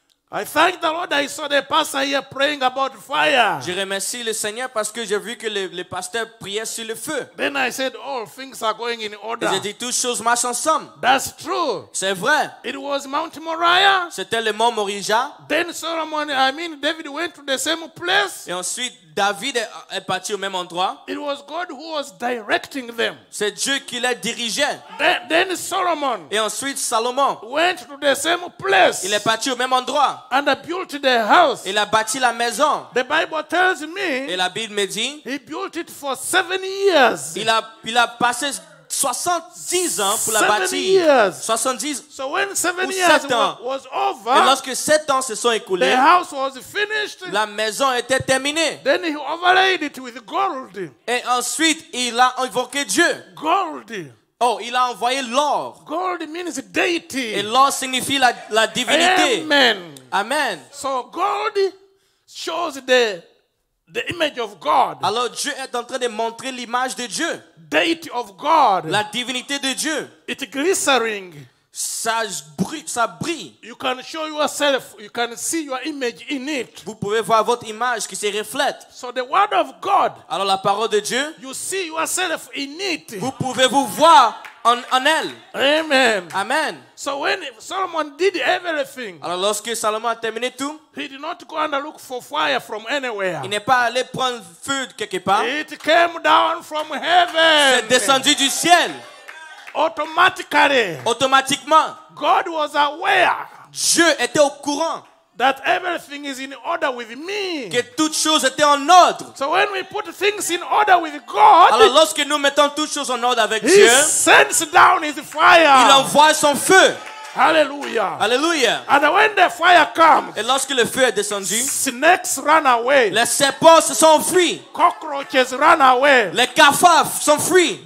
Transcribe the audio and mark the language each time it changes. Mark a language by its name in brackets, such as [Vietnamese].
[English] I thank the Lord I saw the pastor here praying about fire. [French] Je remercie le Seigneur parce que j'ai vu que le pasteur priait sur le feu. [English] Then I said all things are going in order. [French] J'ai dit toutes choses marchent ensemble. [English] That's true. [French] C'est vrai. [English] It was Mount Moriah. [French] C'était le mont Morijah. [English] Then Solomon, David went to the same place. [French] Et ensuite David est parti au même endroit. [English] It was God who was directing them. [French] C'est Dieu qui les dirigeait. [English] Then Solomon. [French] Et ensuite Salomon. [English] Went to the same place. [French] Il est parti au même endroit. [English] And built the house. [French] Il a bâti la maison. [English] The Bible tells me. [French] Et la Bible me dit. [English] He built it for 7 years. [French] Il a passé 70 ans pour la bâtir. [English] Years. [French] 70. [English] So when 7 years was over. [French] Et lorsque 7 ans se sont écoulés. [English] The house was finished. [French] La maison était terminée. [English] Then he overlaid it with gold. [French] Et ensuite il a invoqué Dieu. [English] Gold. [French] Oh, il a envoyé l'or. [English] Gold means deity. [French] Et l'or signifie la divinité. [English] Amen. [French] Amen. [English] So gold shows the image of God. [French] Alors Dieu est en train de montrer l'image de Dieu. [English] Deity of God. [French] La divinité de Dieu. [English] It's glittering. [French] Ça brille. [English] You can show yourself, you can see your image in it. [French] Vous pouvez voir votre image qui se reflète. [English] So the word of God. [French] Alors la parole de Dieu. [English] You see yourself in it. [French] Vous pouvez vous voir en elle. [English] Amen. [French] Amen. [English] So when Solomon did everything. [French] Alors lorsque Salomon a terminé tout. [English] He did not go and look for fire from anywhere. [French] Il n'est pas allé prendre feu quelque part. [English] It came down from heaven. [French] C'est descendu du ciel. [English] Automatiquement, God was aware. [French] Dieu était au courant. [English] That everything is in order with me. [French] Que toutes choses étaient en ordre. [English] So when we put things in order with God, [French] alors lorsque nous mettons toutes choses en ordre avec Dieu, [English] he sends down his fire. [French] Il envoie son feu. [English] Hallelujah. [French] Hallelujah. [English] And when the fire comes, [French] et lorsque le feu est descendu, [English] snakes run away. [French] Les serpents se sont enfuis. [English] Cockroaches run away. [French] Les cafards s'enfuient.